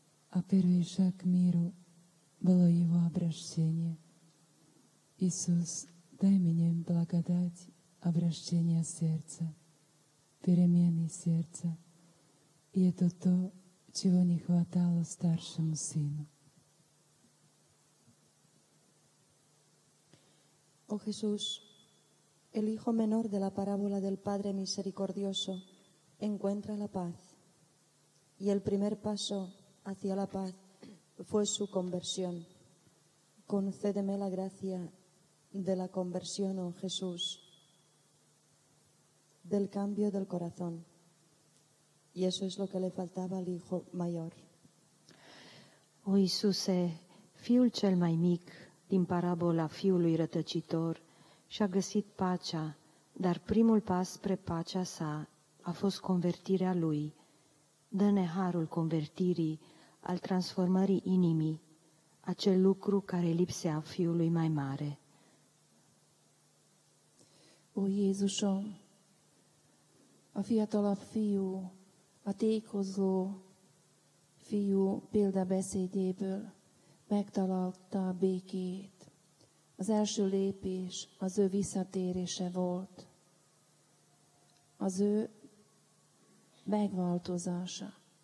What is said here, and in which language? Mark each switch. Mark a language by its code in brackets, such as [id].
[ru] А первый шаг к миру было его обращение. Иисус, дай мне благодать обращения сердца, перемены сердца. И это то, чего не хватало старшему сыну. О, Иисус, [es] el hijo menor de la parábola del Padre misericordioso encuentra la paz. Y el primer paso hacia la paz fue su conversión. Concédeme la gracia de la conversión, oh Jesús, del cambio del corazón. Y eso es lo que le faltaba al hijo mayor. [ro] O Iisuse, fiul cel mai mic din parabola fiului rătăcitor și-a găsit pacea, dar primul pas spre pacea sa a fost convertirea lui. Dă-ne harul convertirii al transformării inimii, acel lucru care lipsea fiului mai mare. [hu] O Jézuso, a fiatalabb fiú, a tékozló fiú példabeszédéből megtalálta a békét. Az első lépés az ő visszatérése volt, az ő megváltozása.